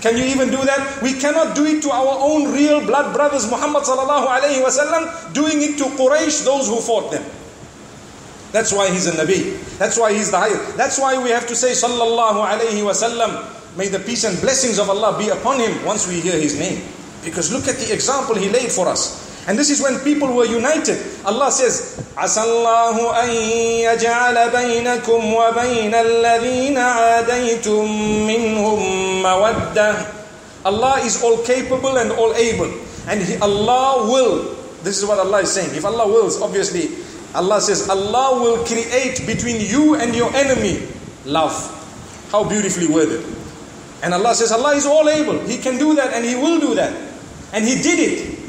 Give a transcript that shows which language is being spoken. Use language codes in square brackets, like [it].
[en] Can you even do that? We cannot do it to our own real blood brothers, Muhammad sallallahu alayhi wa sallam, doing it to Quraysh, those who fought them. That's why he's a Nabi, that's why he's the highest, that's why we have to say sallallahu alayhi wa sallam, may the peace and blessings of Allah be upon him once we hear his name. Because look at the example he laid for us. And this is when people were united. Allah says, [ar] عَسَى اللَّهُ أَن يَجْعَلَ بَيْنَكُمْ وَبَيْنَ الَّذِينَ عَادَيْتُمْ مِنْهُمْ مَوَدَّةً [en] Allah is all capable and all able. And Allah will, this is what Allah is saying. If Allah wills, obviously, Allah says, Allah will create between you and your enemy love. How beautifully worded. And Allah says, Allah is all able. He can do that and He will do that. And He did it.